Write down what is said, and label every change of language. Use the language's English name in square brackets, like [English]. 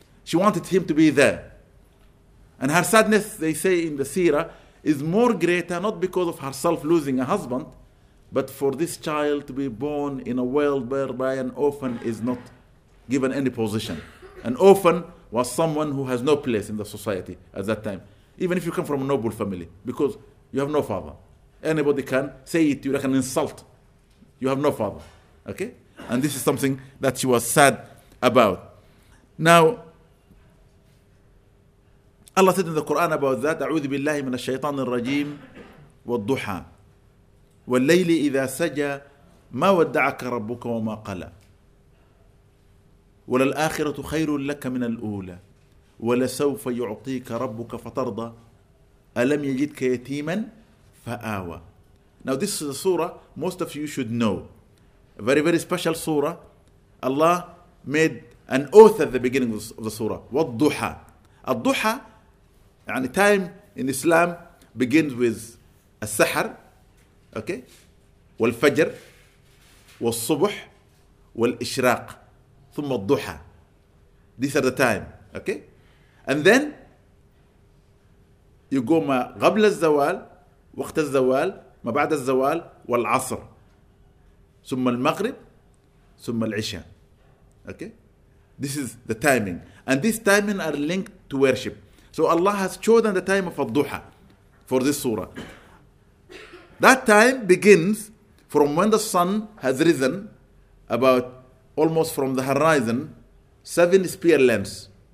[English] She wanted him to be there. And her sadness, they say in the seerah, is more greater, not because of herself losing a husband, but for this child to be born in a world whereby an orphan is not given any position. An orphan was someone who has no place in the society at that time, even if you come from a noble family, because you have no father. Anybody can say it to you like an insult. You have no father. Okay? And this is something that she was sad about. Now, Allah said in the Quran about that, [Arabic] أعوذ بالله من الشيطان الرجيم والضحى والليل إذا سجى ما ودعك ربك وما قلى وللآخرة خير لك من الأولى ولسوف يعطيك ربك فترضى ألم يجدك يتيما فآوى. [English] Now this is a surah most of you should know. A very, very special surah. Allah made an oath at the beginning of the surah. [Arabic] والضحى. [English] الضحى, and time in Islam begins with al-sahar, okay, wal-fajr, [Arabic] والصبح والإشراق ثم الضحى. [English] These are the time. Okay? And then you go [Arabic] قبل الزوال, وقت الزوال, ما بعد الزوال, والعصر, ثم المغرب, ثم العشاء. [English] Okay? This is the timing. And these timing are linked to worship. So Allah has chosen the time of al-duha for this surah. That time begins from when the sun has risen, about almost from the horizon, 7 spear lengths.